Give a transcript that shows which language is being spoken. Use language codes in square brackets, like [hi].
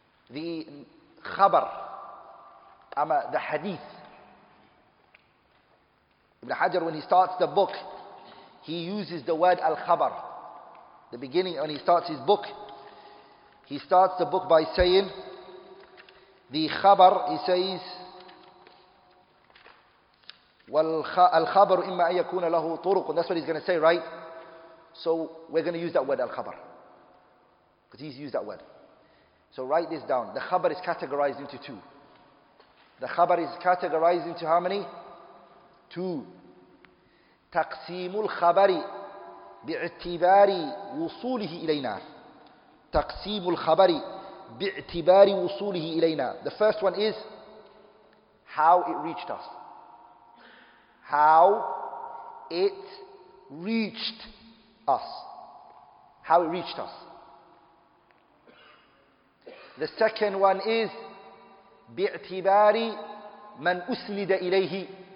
[en] The khabar, the hadith, Ibn Hajar, when he starts the book, he uses the word al-khabar. The beginning, when he starts his book, he starts the book by saying the khabar. He says [ar] والخبر إما أن يكون له طرق. [en] That's what he's going to say, right? So we're going to use that word al-khabar, because he's used that word. So write this down. The khabar is categorized into two. The khabar is categorized into how many? Two. [ar] تقسيم الخبر باعتبار وصوله إلينا. تقسيم الخبر باعتبار وصوله إلينا. [en] The first one is how it reached us. How it reached us. How it reached us. The second one is [ar] بِاعْتِبَارِ مَنْ أُسْلِدَ إِلَيْهِ.